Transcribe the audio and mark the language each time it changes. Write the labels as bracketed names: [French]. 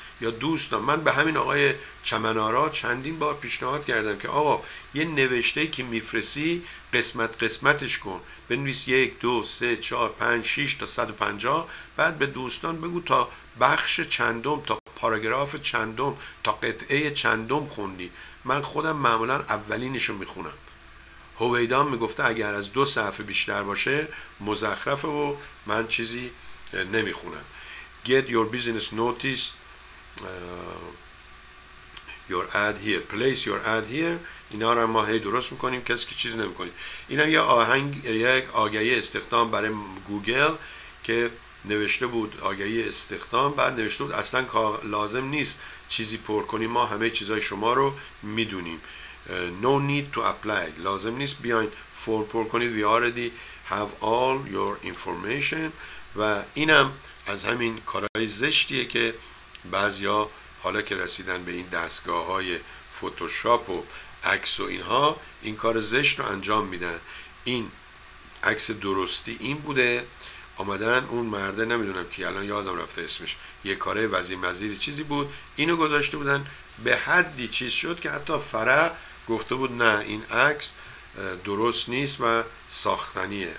[Persian] یا دوستان من به همین آقای چمنارا چندین بار پیشنهاد کردم که آقا یه نوشته که میفرسی قسمت قسمتش کن، بنویس 1, 2, 3, 4, 5, 6 تا 150، بعد به دوستان بگو تا بخش چندم، تا پاراگراف چندم، تا قطعه چندم خوندی. من خودم معمولا اولینشو میخونم. هویدا میگفته اگر از 2 صفحه بیشتر باشه مزخرفه و من چیزی نمیخونم. [English] Get your business notice your ad here, place your ad here. [Persian] اینا رو ما هی درست میکنیم، کسی که چیز نمیکنیم. اینم یه آهنگ، یک آگهی استخدام برای گوگل که نوشته بود آگهی استخدام، بعد نوشته بود اصلا لازم نیست چیزی پر کنیم، ما همه چیزای شما رو میدونیم. [English] No need to apply، [Persian] لازم نیست بیاین فرم پر کنید، [English] we already have all your information. [Persian] و اینم از همین کارهای زشتیه که بعضیا حالا که رسیدن به این دستگاه‌های فتوشاپ و عکس و اینها این کار زشت رو انجام میدن. این عکس درستی این بوده، آمدن اون مرده نمیدونم کی، الان یادم رفته اسمش، یه کاره وزیر مزیر چیزی بود، اینو گذاشته بودن به حدی چیز شد که حتی فرع گفته بود نه این عکس درست نیست و ساختنیه.